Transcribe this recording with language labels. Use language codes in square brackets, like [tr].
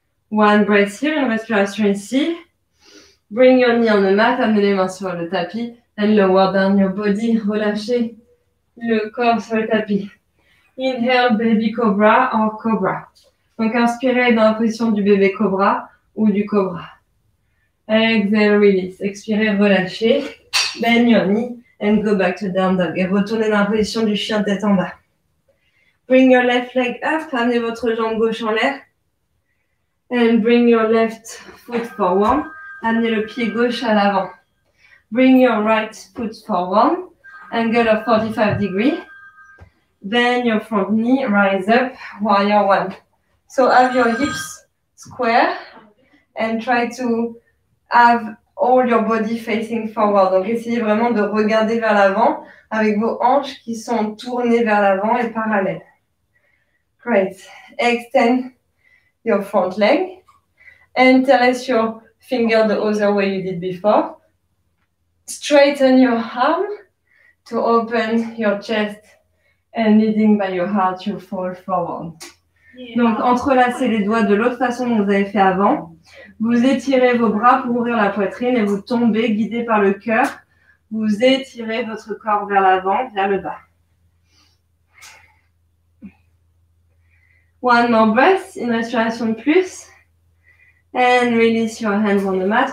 [en] One breath here, [fr] une respiration ici. [en] Bring your knee on the mat, [fr] amenez les mains sur le tapis. [en] And lower down your body, [fr] relâchez le corps sur le tapis. [en] Inhale, baby cobra or cobra. [fr] Donc inspirez dans la position du bébé cobra ou du cobra. [en] Exhale, release. [fr] Expirez, relâchez. [en] Bend your knee and go back to down dog. [fr] Et retournez dans la position du chien tête en bas. [en] Bring your left leg up, [fr] amenez votre jambe gauche en l'air. [en] And bring your left foot forward. [fr] Amenez le pied gauche à l'avant. [en] Bring your right foot forward. Angle of 45 degrees. Bend your front knee. Rise up. Warrior one. So have your hips square. And try to have all your body facing forward. [fr] Donc essayez vraiment de regarder vers l'avant avec vos hanches qui sont tournées vers l'avant et parallèles. [en] Great. Extend your front leg, interlace your finger the other way you did before, straighten your arm to open your chest and leading by your heart you fall forward. Yeah. [fr] Donc entrelacez les doigts de l'autre façon que vous avez fait avant, vous étirez vos bras pour ouvrir la poitrine et vous tombez guidé par le cœur, vous étirez votre corps vers l'avant, vers le bas. [en] One more breath, [fr] une respiration de plus. [en] And release your hands on the mat.